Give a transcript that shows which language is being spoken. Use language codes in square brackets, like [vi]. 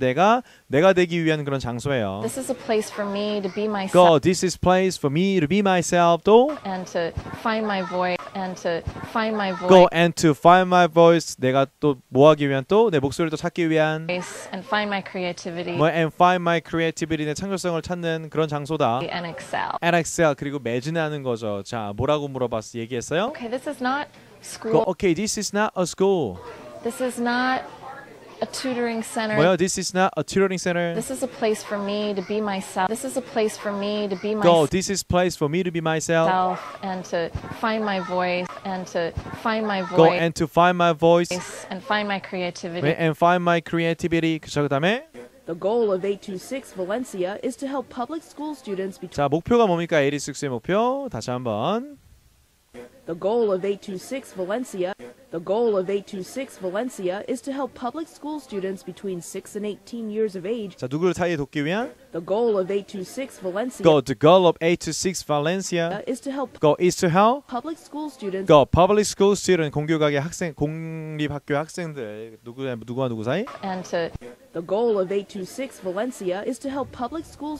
[ko] 내가 되기 위한 그런 장소예요. [en] This is a place for me to be myself. Go, this is a place for me to be myself. [ko] 또? [en] And to find my voice. And to find my voice. Go and to find my voice. [ko] 내가 또 뭐 하기 위한 또? 내 목소리를 또 찾기 위한. [en] And find my creativity. 뭐, and find my creativity. [ko] 내 창조성을 찾는 그런 장소다. [en] And excel. And excel. [ko] 그리고 매진하는 거죠. 자, 뭐라고 물어봤어? 얘기했어요? [en] Okay, this is not school. Go, okay, this is not a school. This is not a tutoring center. [ko] 뭐야? [en] This is not a tutoring center. This is a place for me to be myself. This is a place for me to be myself. This is a place for me to be myself. Self and to find my voice and to find my voice. Go and to find my voice and find my creativity. And find my creativity. [ko] 그쵸, 그다음에? [en] The goal of 826 Valencia is to help public school students. [ko] 자, 목표가 뭡니까? 826의 목표. 다시 한번. [en] The goal of 826 Valencia. The goal of 826 Valencia is to help public school students between 6 and 18 years of age. [ko] 자, 누구를 사이에 돕기 위한? [en] The goal of 826 Valencia. Go, the goal of 826 Valencia is to help. Go, is to help. Public school students. Go, public school students. [ko] 공교육학의 학생, 공립학교 학생들. 누구와 누구 사이? [en] And to. The goal of 826 Valencia is to help public school.